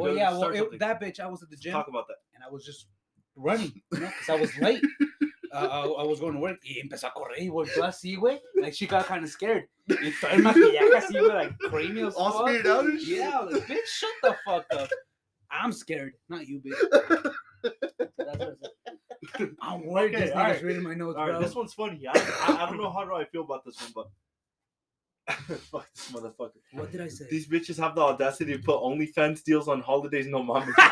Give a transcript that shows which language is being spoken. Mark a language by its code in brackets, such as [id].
[en] Well, yeah, that bitch, I was at the gym. Talk about that. And I was just running, because, you know, I was late. I was going to work. [es] Y empezó a correr, y volvió así, güey. [en] Like, she got kind of scared. [es] Y fue el maquillaje así, güey, [en] like, creamy as fuck. All speared out and shit. Yeah, I was like, bitch, shut the fuck up. I'm scared, not you, bitch. I'm worried. Okay, this nigga's reading my notes, bro. This one's funny. I don't know how I feel about this one, but... Fuck this motherfucker. What did I say? These bitches have the audacity to put OnlyFans deals on holidays, no mama.